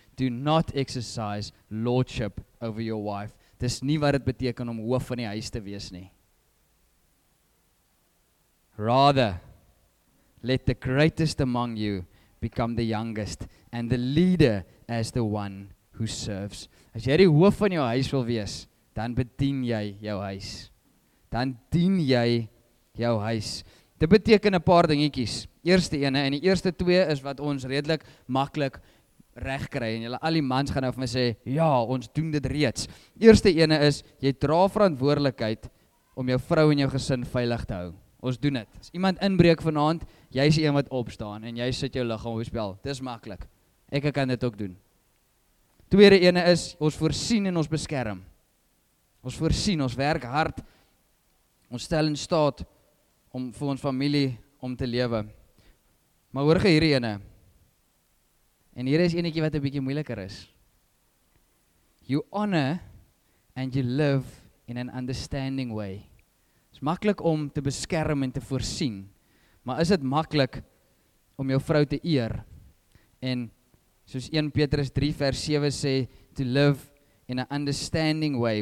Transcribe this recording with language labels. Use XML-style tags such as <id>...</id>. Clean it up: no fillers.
<en>Do not exercise lordship over your wife.</en> <af>Dis nie wat het beteken om hoof van die huis te wees nie. Rather,</af> <en>Let the greatest among you become the youngest and the leader as the one who serves.</en> <af>As jy die hoof van jou huis wil wees, dan bedien jy jou huis. Dan dien jy jou huis. Dit beteken 'n paar dingetjies. Eerste ene, en die eerste twee is wat ons redelik makkelijk reg kry. En julle al die mans gaan nou vir my sê, ja, ons doen dit reeds. Eerste ene is, jy dra verantwoordelikheid om jou vrou en jou gesin veilig te hou. Ons doen dit. As iemand inbreek vanaand, jy is een wat opstaan en jy sit jou liggaam op die spel. Dit is makkelijk. Ek kan dit ook doen. Tweede ene is, ons voorsien en ons beskerm. Ons voorsien, ons werk hard. Ons stel in staat om vir ons familie om te lewe. Maar hoor gee hierdie ene. En hier is enetjie wat 'n bietjie moeiliker is.</af> <en>You honor and you live in an understanding way.</en> <af>Is maklik om te beskerm en te voorsien. Maar is het maklik om jou vrou te eer? En soos 1 Petrus 3 vers 7 sê,</af> <en>to live in an understanding way.</en>